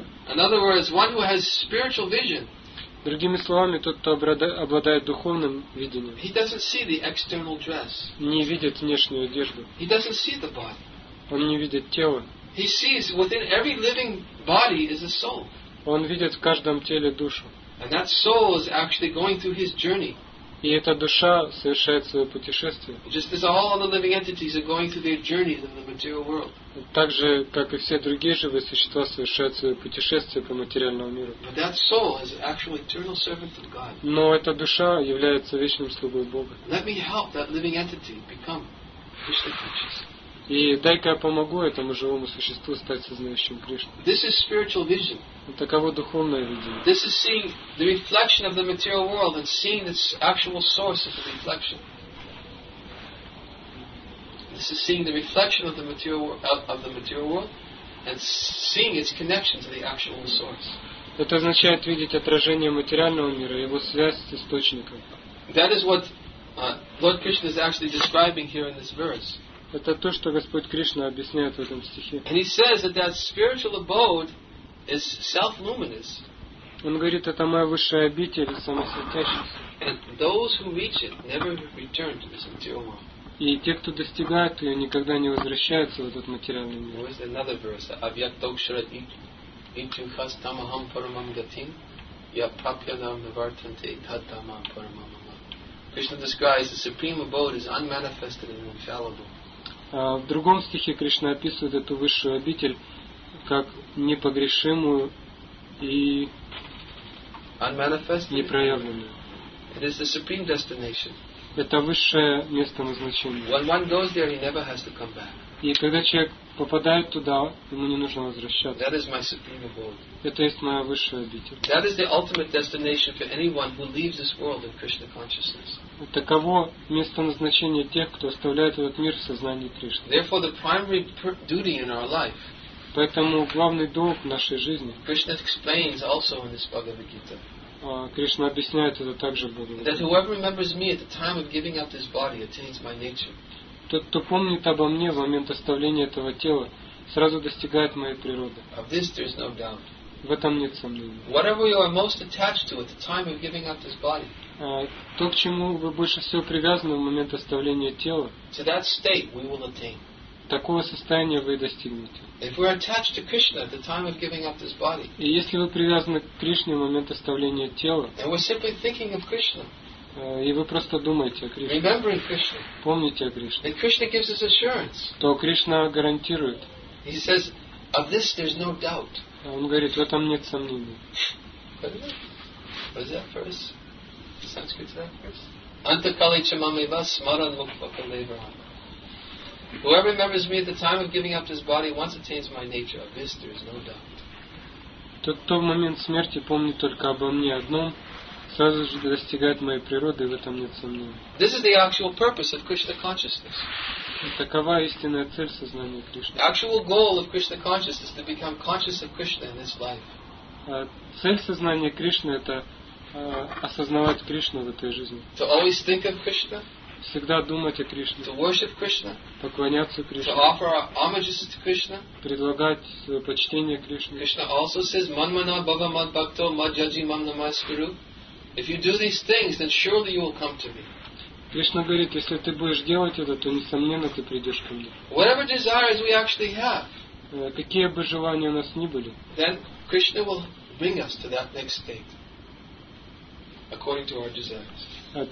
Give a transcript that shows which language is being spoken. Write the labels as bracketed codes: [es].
[en] In other words, one who has spiritual vision. [ru] Другими словами, тот, кто обладает духовным видением. [en] He doesn't see the external dress. [ru] Не видит внешнюю одежду. [en] He doesn't see the body. [ru] Он не видит тело. [en] He sees within every living body is a soul. [ru] Он видит в каждом теле душу. [en] And that soul is actually going through his journey. [ru] И эта душа совершает свое путешествие. [en] Just as all the living entities are going through their journey in the material world. [ru] Так же, как и все другие живые существа совершают свое путешествие по материальному миру. [en] But that soul is actually eternal servant of God. [ru] Но эта душа является вечным слугой Бога. [en] Let me help that living entity become Krishna conscious. [ru] И дай-ка я помогу этому живому существу стать сознающим Кришну. [en] This is spiritual vision. [ru] Таково духовное видение. [en] This is seeing the reflection of the material world and seeing its actual source of the reflection. This is seeing the reflection of the material world and seeing its connection to the actual source. [ru] Это означает видеть отражение материального мира и его связь с источником. [en] That is what Lord Krishna is actually describing here in this verse. [ru] Это то, что Господь Кришна объясняет в этом стихе. [en] And he says that that spiritual abode is self-luminous. [ru] Он говорит, это моя высшая обитель, самосветящаяся. [en] And those who reach it never return to this material world. [ru] И те, кто достигает ее, никогда не возвращаются в этот материальный мир. [en] Where is another verse? [sa] Avyaktokshara itu khas tamaham paramam gatim ya papyadam navartante tatamam paramam amam. [en] Krishna describes the supreme abode is unmanifested and infallible. [ru] В другом стихе Кришна описывает эту высшую обитель как непогрешимую и непроявленную. [en] It is the supreme destination. [ru] Это высшее место назначения. [en] When one goes there, he never has to come back. [ru] И когда человек попадает туда, ему не нужно возвращаться. [en] That is my supreme abode. [ru] Это есть моя высшая обитель. [en] That is the ultimate destination for anyone who leaves this world in Krishna consciousness. [ru] Таково место назначения тех, кто оставляет этот мир в сознании Кришны. [en] Therefore, the primary duty in our life. [ru] Поэтому главный долг нашей жизни. [en] Krishna explains also in this Bhagavad Gita. [ru] Кришна объясняет это также в Бхагавад-гите. [en] That whoever remembers me at the time of giving up this body attains my nature. [ru] Тот, кто помнит обо мне в момент оставления этого тела, сразу достигает моей природы. [en] Of this there is no doubt. [ru] В этом нет сомнений. [en] Whatever you are most attached to at the time of giving up this body. [ru] То, к чему вы больше всего привязаны в момент оставления тела. [en] To that state we will attain. [ru] Такого состояния вы и достигнете. [en] If we are attached to Krishna at the time of giving up this body. [ru] И если вы привязаны к Кришне в момент оставления тела. [en] And we're simply thinking of Krishna. [ru] И вы просто думаете о Кришне. [en] Remembering Krishna. [ru] Помните о Кришне. [en] And Krishna gives us assurance. [ru] То Кришна гарантирует. [en] He says, of this there's no doubt. [ru] Он говорит, в этом нет сомнений. [en] What is that verse? Sanskrit is that verse? [sa] Antakalicha mameva smaran mukhvakaleva. [en] Whoever remembers me at the time of giving up this body once attains my nature. Of this there is no doubt. [ru] Тот, кто в момент смерти помнит только обо мне одном, сразу же достигает моей природы, в этом нет сомнений. [en] This is the actual purpose of Krishna consciousness. [ru] Такова истинная цель сознания Кришны. [en] The actual goal of Krishna consciousness is to become conscious of Krishna in this life. [ru] Цель сознания Кришны — это осознавать Кришну в этой жизни. [en] To always think of Krishna. [ru] Всегда думать о Кришне. [en] To worship Krishna. [ru] Поклоняться Кришне. [en] To offer homages to Krishna. [ru] Предлагать свое почтение Кришне. [en] Krishna also says, [sa] "Manmana bhava mad bhakto madjaji mam namaskuru." [en] If you do these things, then surely you will come to me. [ru] Кришна говорит, если ты будешь делать это, то несомненно ты придешь ко мне. [en] Whatever desires we actually have. [ru] Какие бы желания у нас ни были. [en] Then Krishna will bring us to that next state, according to our desires.